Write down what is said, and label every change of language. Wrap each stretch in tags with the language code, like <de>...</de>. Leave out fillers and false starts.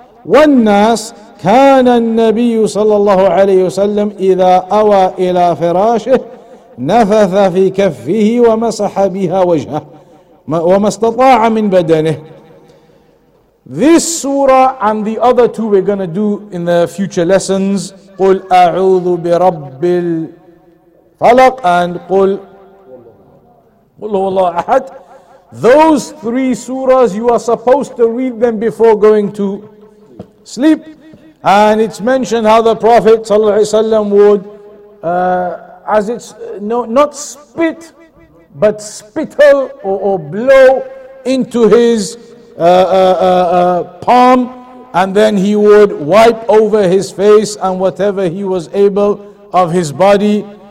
<ar>والناس كان النبي صلى الله عليه وسلم إذا أوى إلى فراشه نفث في كفه ومسح بها وجهه وما استطاع من بدنه.</ar> <en>This surah and the other two we're going to do in the future lessons.</en> <ar>قل أعوذ برب الفلق and قل قل هو الله أحد.</ar> <en>Those three surahs, you are supposed to read them before going to sleep. And it's mentioned how the Prophet ﷺ would, not spit, but spittle or blow into his palm, and then he would wipe over his face and whatever he was able of his body.</en>